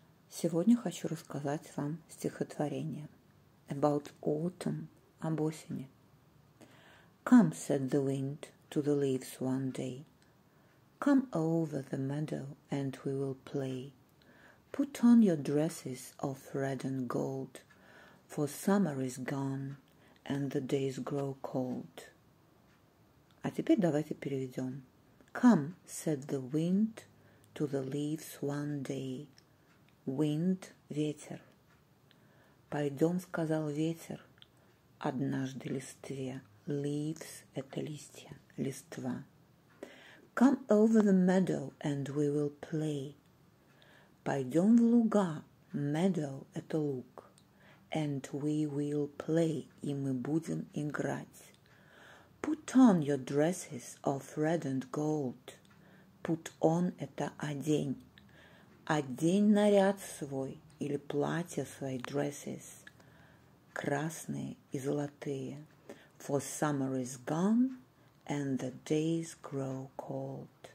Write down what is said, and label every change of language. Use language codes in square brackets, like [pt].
[ru] Сегодня хочу рассказать вам стихотворение [en] About autumn, [ru] об осени. [en] Come, said the wind to the leaves one day. Come over the meadow and we will play. Put on your dresses of red and gold, for summer is gone and the days grow cold. [ru] А теперь давайте переведем. [en] Come, said the wind to the leaves one day. [ru] Wind – ветер. Пойдем, сказал ветер, однажды листве. Leaves – это листья, листва. [en] Come over the meadow and we will play. [ru] Пойдем в луга. Meadow – это луг. [en] And we will play. [ru] И мы будем играть. [en] Put on your dresses of red and gold. [ru] Put on – это одень. Одень наряд свой или платье свои, dresses, красные и золотые. [en] For summer is gone and the days grow cold.